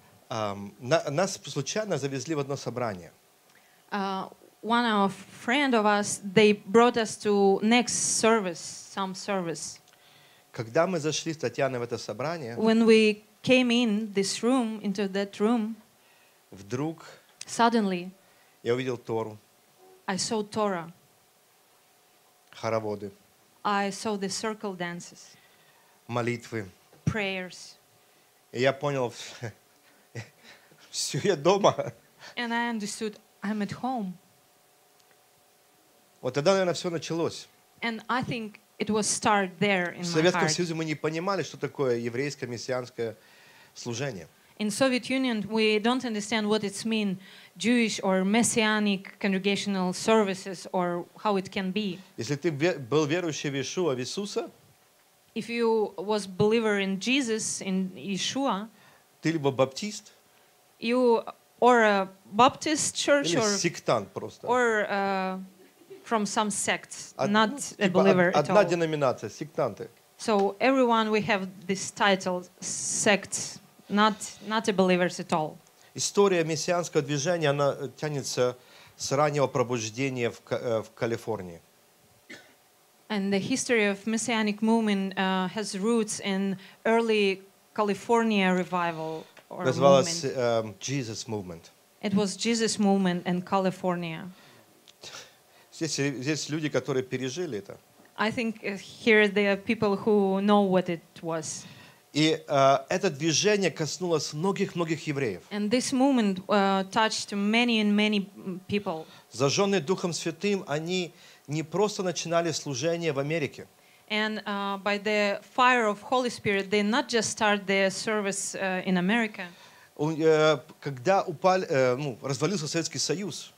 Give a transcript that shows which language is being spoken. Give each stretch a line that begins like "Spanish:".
Russian: Нас случайно завезли в одно собрание.
English: One of friend of us, they brought us to next service, some service.
Russian: Когда мы зашли с Татьяной в это собрание,
English: when we came in this room, into that room,
Russian: вдруг
English: suddenly,
Russian: я увидел Тору.
English: I saw Torah.
Russian: Хороводы.
English: I saw the circle dances.
Russian: Молитвы.
English: Prayers.
Russian: И я понял, все, я дома.
English: And I understood, I'm at home.
Russian: Вот тогда, наверное, все началось.
English: And I think it was start there in my heart.
Russian: В Советском Союзе мы не понимали, что такое еврейское мессианское служение.
English: In Soviet Union, we don't understand what it means, Jewish or messianic congregational services, or how it can be.
Russian: Если ты был верующий в Иешуа, в Иисуса,
English: if you was believer in Jesus, in Yeshua,
Russian: ты либо баптист,
English: you or a Baptist church,
Russian: или сектант просто,
English: or from some sects, not a believer at all.
Russian: Одна деноминация, сектанты.
English: So everyone, we have this title, sects. Not a believers at all.
Russian: История мессианского движения, она тянется с раннего пробуждения в Калифорнии.
English: And the history of messianic movement has roots in early California revival or
Russian: Называлось,
English: movement. Jesus movement. It was Jesus movement in California.
Russian: Здесь люди, которые пережили это.
English: I think here there are people who know what it was.
Russian: И это движение коснулось многих-многих евреев.
English: And this movement touched many and many people.
Russian: Зажженные Духом Святым, они не просто начинали служение в Америке.
English: And by the fire of Holy Spirit, they not just start their service in America.
Russian: Когда развалился Советский Союз.